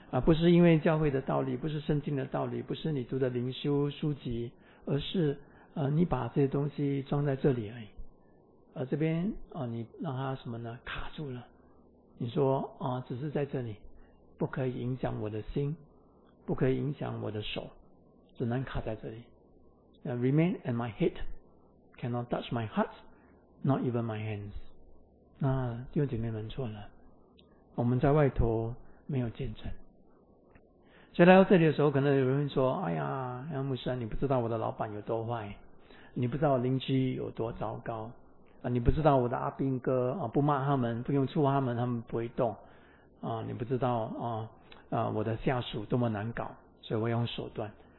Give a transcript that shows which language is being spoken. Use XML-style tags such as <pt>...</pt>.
<zh>不是因为教会的道理，不是圣经的道理，不是你读的灵修书籍，而是你把这些东西装在这里而已。这边你让它什么呢？卡住了。你说只是在这里，不可以影响我的心，不可以影响我的手，只能卡在这里。</zh> <en>Remain at my head, cannot touch my heart, not even my hands.</en> <zh>那弟兄姐妹们错了，我们在外头没有见证。所以来到这里的时候，可能有人会说：“哎呀，杨牧师啊，你不知道我的老板有多坏，你不知道邻居有多糟糕啊，你不知道我的阿兵哥啊，不骂他们，不用触他们，他们不会动啊，你不知道我的下属多么难搞，所以我用手段。”</zh>